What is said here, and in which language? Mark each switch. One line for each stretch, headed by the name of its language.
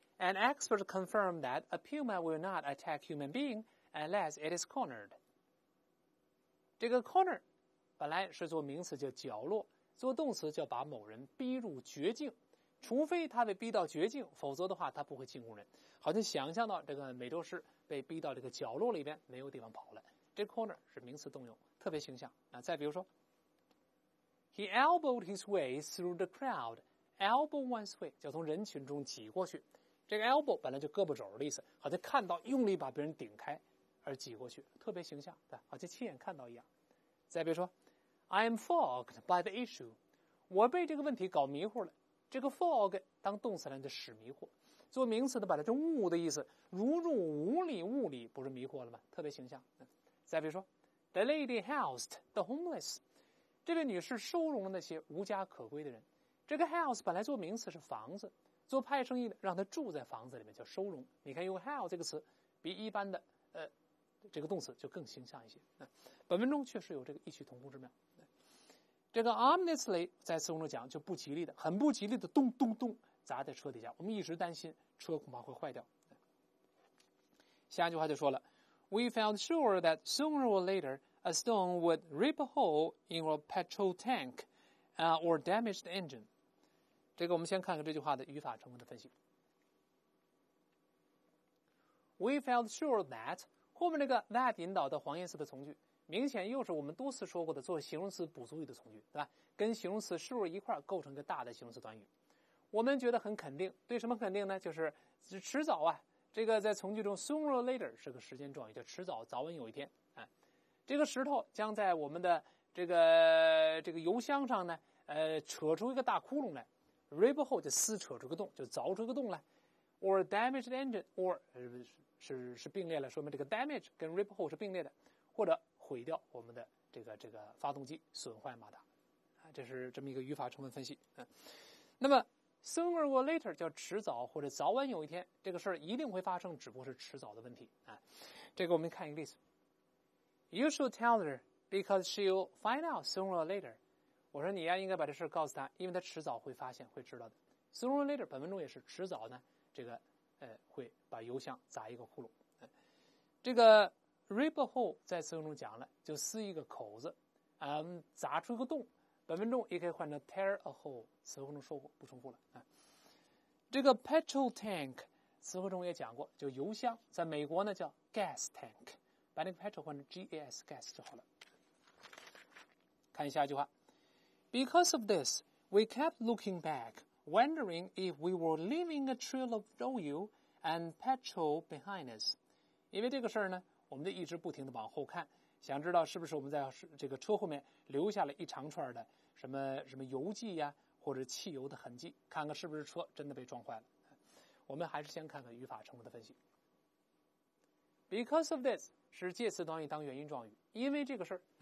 English: An expert confirmed that a puma will not attack human being unless it is cornered.
Chinese: 这个 corner 本来是做名词叫角落，做动词叫把某人逼入绝境，除非他被逼到绝境，否则的话他不会进攻人。好像想象到这个美洲狮被逼到这个角落里边，没有地方跑了。这 corner 是名词动用，特别形象。再比如说
English: He elbowed his way through the crowd. Elbow one's way
Chinese: 就从人群中挤过去，这个 elbow 本来就胳膊肘的意思，好像看到用力把别人顶开而挤过去，特别形象，对，好像亲眼看到一样。再比如说
English: I am fogged by the issue.
Chinese: 我被这个问题搞迷糊了，这个 fog 当动词来就使迷糊，做名词的把它成物的意思，如入无里物里，不是迷惑了吗？特别形象。再比如说 ，
English: the lady housed the homeless，
Chinese: 这位女士收容了那些无家可归的人。这个 house 本来做名词是房子，做派生意的让她住在房子里面叫收容。你看用 house 这个词，比一般的这个动词就更形象一些。本文中确实有这个异曲同工之妙。这个 ominously 在词中讲就不吉利的，很不吉利的咚咚咚砸在车底下，我们一直担心车恐怕会坏掉。
English: 下一句话就说了 ，We felt sure that sooner or later a stone would rip a hole in our petrol tank, or damage the engine。
Chinese: 这个我们先看看这句话的语法成分的分析。
English: We felt sure that
Chinese: 后面那个 that 引导的黄颜色的从句。明显又是我们多次说过的做形容词补足语的从句，对吧？跟形容词 sure 一块构成一个大的形容词短语。我们觉得很肯定，对什么肯定呢？就是迟早啊，这个在从句中
English: sooner or later
Chinese: 是个时间状语，就迟早，早晚有一天啊，这个石头将在我们的这个油箱上呢，扯出一个大窟窿来 ，rip 后就撕扯出个洞，就凿出个洞来 ，
English: or damage the engine，
Chinese: or 是并列了，说明这个 damage 跟 rip 后是并列的，或者毁掉我们的这个发动机，损坏马达，这是这么一个语法成分分析。那么
English: sooner or later
Chinese: 叫迟早或者早晚有一天，这个事儿一定会发生，只不过是迟早的问题。这个我们看一个例子。
English: You should tell her because she'll find out sooner or later。
Chinese: 我说你呀，应该把这事儿告诉她，因为她迟早会发现，会知道的。
English: Sooner or later，
Chinese: 本文中也是迟早呢，这个会把油箱砸一个窟窿。这个。
English: Rip a hole
Chinese: 在词中讲了，就撕一个口子，砸出一个洞。本文中也可以换成
English: tear a hole，
Chinese: 词汇中说过，不重复了。这个 petrol tank 词汇中也讲过，就油箱，在美国呢叫 gas tank， 把那个 petrol 换成 gas gas 就好了。
English: 看一下一句话 ，Because of this, we kept looking back, wondering if we were leaving a trail of oil and petrol behind us。
Chinese: 因为这个事儿呢。我们就一直不停地往后看，想知道是不是我们在这个车后面留下了一长串的什么什么油迹呀，或者汽油的痕迹，看看是不是车真的被撞坏了。我们还是先看看语法成分的分析。
English: Because of this
Chinese: 是介词短语当原因状语，因为这个事儿。